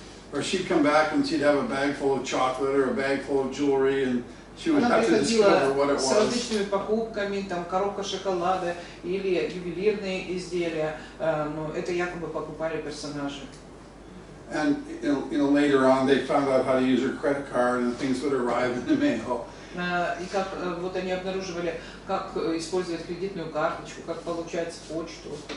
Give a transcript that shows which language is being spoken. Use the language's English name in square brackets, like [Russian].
[English] Or she'd come back and she'd have a bag full of chocolate or a bag full of jewelry, and she would [Russian] она [English] have to discover what it was. [Russian] С различными покупками, там коробка шоколада или ювелирные изделия, но это якобы покупали персонажи. [English] And you know, later on they found out how to use her credit card and things would arrive in the mail. [Russian] И как вот они обнаруживали, как использовать кредитную карточку, как получать почту.